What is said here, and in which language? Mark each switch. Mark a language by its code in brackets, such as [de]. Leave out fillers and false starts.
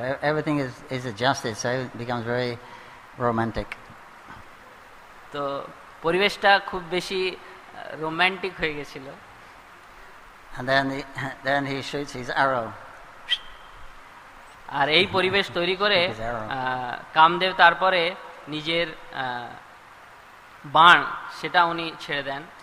[en] Everything is adjusted, so it becomes very romantic. [bn] তো পরিবেশটা খুব বেশি রোমান্টিক হয়ে গেছিল। [en] And then he shoots his arrow. [bn] আর এই পরিবেশ তৈরি করে কামদেব তারপরে নিজের বাণ সেটা উনি ছেড়ে দেন।